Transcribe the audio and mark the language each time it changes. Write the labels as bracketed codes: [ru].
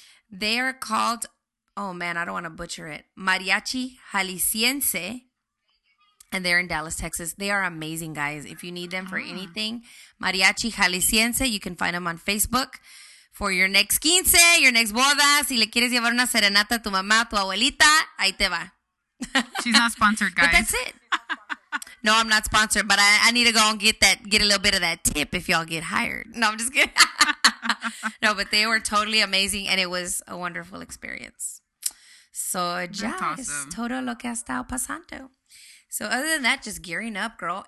[en] They are called, oh man, I don't want to butcher it. Mariachi Jalisciense. And they're in Dallas, Texas. They are amazing, guys. If you need them for anything, Mariachi Jalisciense, you can find them on Facebook for your next quince, your next boda. [es] Si le quieres llevar una serenata a tu mamá, tu abuelita, ahí te va. [en] She's not sponsored, guys. But that's it. No, I'm not sponsored, but I need to go and get a little bit of that tip if y'all get hired. No, I'm just kidding. No, but they were totally amazing, and it was a wonderful experience. So, ya, awesome. [es] Es todo lo que ha estado pasando. [en] So, other than that, just gearing up, girl.